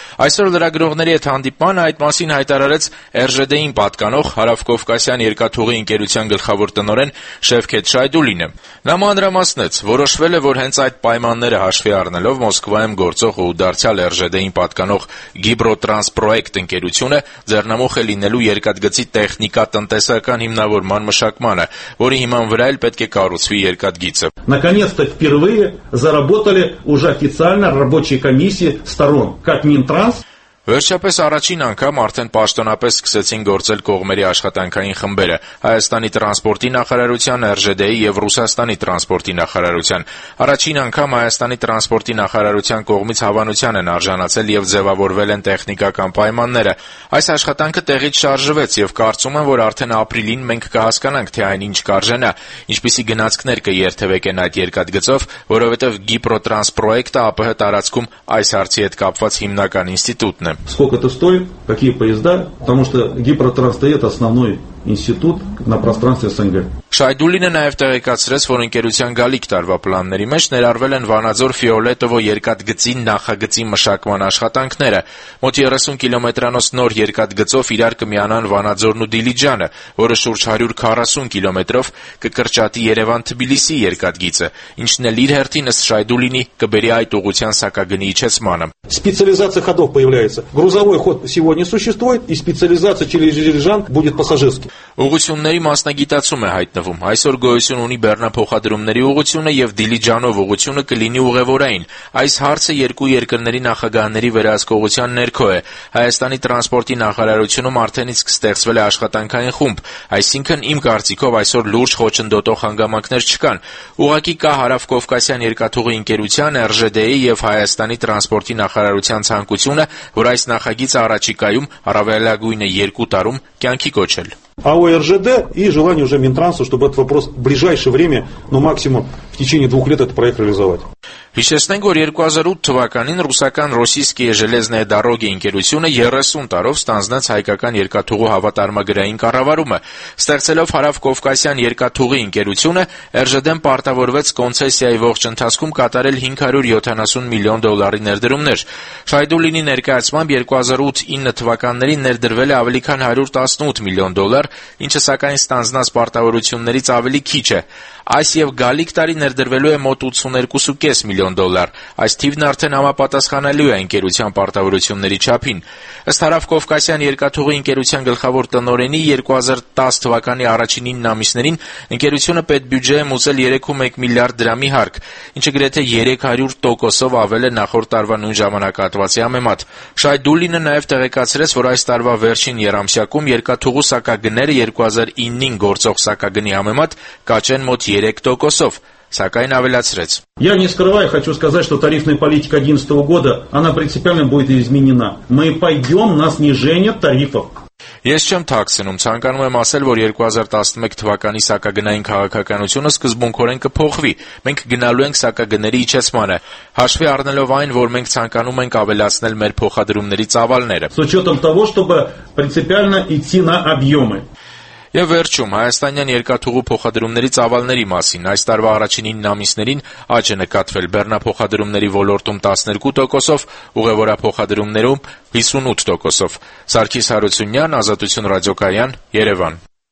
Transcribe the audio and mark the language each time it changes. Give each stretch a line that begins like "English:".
Armenian: Այսօր լրագրողների հետ հանդիպմանը այդ մասին հայտարարեց RJD-ին պատկանող Հարավկովկասյան երկաթուղի ընկերության գլխավոր տնօրեն Շևքեթ Շայդուլինը։ Նա մանրամասնեց, որոշվել է, որ հենց այդ պայմանները հաշվի առնելով Մոսկվայում գործող ու դարձյալ RJD-ին պատկանող Գիբրոտրանս պրոյեկտ ընկերությունը ձեռնամուխ է լինելու երկաթգծի տեխնիկա-տնտեսական հիմնավորման մշակմանը, որի հիման վրա էլ պետք է կառուցվի երկաթգիծը։
Russian: Наконец-то впервые заработали уже официально рабочие комиссии сторон, как Минтранс.
Armenian: Վերջապես առաջին անգամ արդեն պաշտոնապես սկսեցին գործել կողմերի աշխատանքային խմբերը՝ Հայաստանի տրանսպորտի նախարարության, RJD-ի և Ռուսաստանի տրանսպորտի նախարարության։ Առաջին անգամ Հայաստանի տրանսպորտի նախարարության կողմից հավանության են արժանացել և ձևավորվել են տեխնիկական պայմանները։ Այս աշխատանքը տեղից շարժվեց և կարծում եմ, որ արդեն ապրիլին մենք կհասկանանք, թե այն ինչ կարժենա, ինչպիսի գնացքներ կերթևեք են այդ երկաթգծով, որովհետև Գիպրոտրանս պրոյեկտը ԱՊՀ տարածքում այս հարցի հետ կապված հիմնական ինստիտուտ։
Russian: Сколько это стоит, какие поезда, потому что Гипротранс это основной институт на пространстве СНГ.
Armenian: Շայդուլինը նաև տեղեկացրեց, որ ընկերության գալիք տարվա պլանների մեջ ներառվել են Վանաձոր Ֆիոլետովո երկաթգծի նախագծի մշակման աշխատանքները։ Մոտ 30 կիլոմետրանոց նոր երկաթգծով իրար կմիանան Վանաձորն ու Դիլիջանը, որը շուրջ 140 կիլոմետրով կկրճատի Երևան-Թբիլիսի երկաթգիծը, ինչն էլ իր հերթին ըստ Շայդուլինի կբերի այդ ուղղության սակագնի իջեցմանը։
Russian: Специализация ходов появляется. Грузовой ход сегодня существует, и специализация через Дилижан будет пассажирский.
Armenian: Ուղությունների մասնագիտացումը հայտնվում։ Այսօր գոյություն ունի բեռնափոխադրումների ուղությունը և Դիլիջանով ուղությունը կլինի ուղևորային։ Այս հարցը երկու երկրների նախագահների վերահսկողության ներքո է։ Հայաստանի տրանսպորտի նախարարությունում արդենից կստեղծվել է աշխատանքային խումբ, այսինքն իմ կարծիքով այսօր լուրջ խոչընդոտող հանգամանքներ չկան։ Ուղղակի կա Հարավկովկասյան երկաթուղի ընկերության, RJD-ի և Հայաստանի տրանսպորտի նախարարության ցանկությունը, որ այս նախագիծը առաջիկայում առավելագույնը երկու տարում կյանքի կոչել։
Russian: АО РЖД и желание уже Минтранса, чтобы этот вопрос в ближайшее время, ну максимум в течение двух лет этот проект реализовать.
Armenian: Հիշեցնենք, որ 2008 թվականին ռուսական Ռոսիսկիե ժելեզնեյե դարոգի ընկերությունը 30 տարով ստանձնեց հայկական երկաթուղու հավատարմագրային կառավարումը, ստեղծելով Հարավկովկասյան երկաթուղի ընկերությունը, RJD-ն պարտավորվեց կոնցեսիայի ողջ ընթացքում կատարել 570 միլիոն դոլարի ներդրումներ։ Շայդուլինի ներկայացմամբ 2008-2009 թվականներին ներդրվել է ավելի քան 118 միլիոն դոլար, ինչը սակայն ստանձնած պարտավորություններից ավելի քիչ է։ Այս և գալիք տարի ներդրվելու է մոտ 82.5 միլիոն դոլար, այս թիվն արդեն համապատասխանելու է ընկերության պարտավորությունների չափին։ Ըստ Հարավկովկասյան երկաթուղի ընկերության գլխավոր տնօրենի 2010 թվականի առաջին 9 ամիսներին ընկերությունը պետ բյուջեի մուծել 3.1 միլիարդ դրամի հարկ, ինչը գրեթե 300%-ով ավել է նախորդ տարվա նույն ժամանակահատվածի համեմատ։ Շայդուլինը նաև տեղեկացրեց, որ այս տարվա վերջին երամսյակում երկաթուղու սակագները 2009-ին գործող սակագնի համեմատ կաճեն մոտ 3%-ով, սակայն ավելացրեց.
Russian: Я не скрываю, хочу сказать, что тарифная политика 2011 года, она принципиально будет изменена. Мы пойдем на снижение тарифов.
Armenian: Ես չեմ թաքցնում, ցանկանում եմ ասել, որ 2011 թվականի սակագնային քաղաքականությունը սկզբունքորեն կփոխվի։ Մենք գնալու ենք սակագների իջեցմանը, հաշվի առնելով այն, որ մենք ցանկանում ենք ավելացնել մեր փոխադրումների ծավալները։
Russian: С учётом того, чтобы принципиально идти на объёмы.
Armenian: Եվ վերջում, Հայաստանյան երկաթուղու փոխադրումների ծավալների մասին, այս տարվա առաջին 9 ամիսներին աճ է նկատվել բեռնափոխադրումների ոլորտում 12%-ով, ուղևորափոխադրումներում 58%-ով։ Սարգիս Հարությունյան, Ազատություն ռադիոկայան, Երևան։